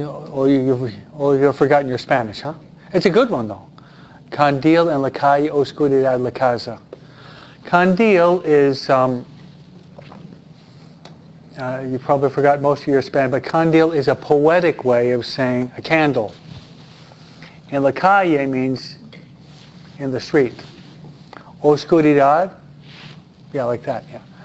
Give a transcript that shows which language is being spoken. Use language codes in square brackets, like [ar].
[en] Oh, you've forgotten your Spanish, huh? It's a good one, though. [es] Candil en la calle, oscuridad la casa. [en] Candil is, you probably forgot most of your Spanish, but candil is a poetic way of saying a candle. [es] En la calle [en] means in the street. Oscuridad, yeah, like that, yeah.